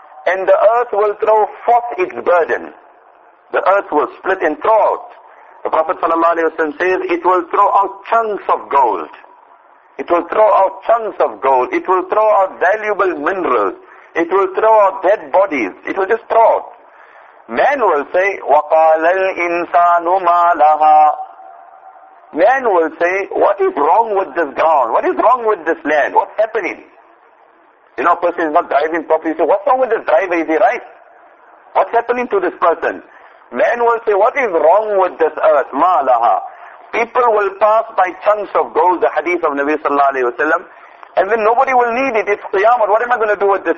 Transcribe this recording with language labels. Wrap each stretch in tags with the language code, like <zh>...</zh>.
<en>And the earth will throw forth its burden. The earth will split and throw out. The Prophet ﷺ says, it will throw out chunks of gold. It will throw out chunks of gold. It will throw out valuable minerals. It will throw out dead bodies. It will just throw out. Man will say,</en> <ar>وَقَالَ الْإِنسَانُ مَا لَهَا.</ar> <en>Man will say, what is wrong with this ground? What is wrong with this land? What's happening? You know, a person is not driving properly. He says, what's wrong with this driver? Is he right? What's happening to this person? Man will say, what is wrong with this earth?</en> <ar>مَا لَهَا.</ar> <en>People will pass by chunks of gold, the hadith of Nabi sallallahu alayhi wa sallam, and then nobody will need it. It's Qiyamah. What am I going to do with this?</en>